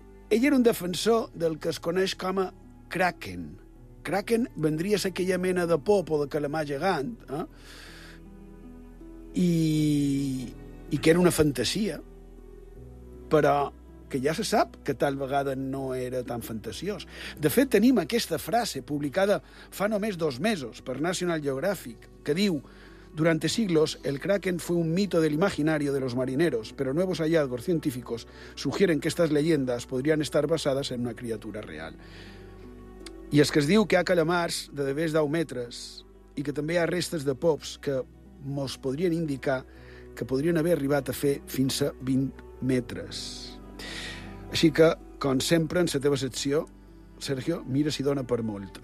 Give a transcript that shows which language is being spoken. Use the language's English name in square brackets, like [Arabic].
[Catalan] Ell era un defensor del que es coneix com a Kraken. Kraken vendria a ser aquella mena de pop o de calamar gegant, eh? I que era una fantasia, però que ja se sap que tal vegada no era tan fantasiós. De fet, tenim aquesta frase publicada fa només 2 mesos per National Geographic, que diu: [Spanish] durante siglos, el Kraken fue un mito del imaginario de los marineros, pero nuevos hallazgos científicos sugieren que estas leyendas podrían estar basadas en una criatura real. [Catalan] I és que es diu que hi ha calamars de més de 10 metres i que també hi ha restes de pops que mos podrien indicar que podrien haver arribat a fer fins a 20 metres. Així que, com sempre, en la teva secció, Sergio, mira si dona per molt.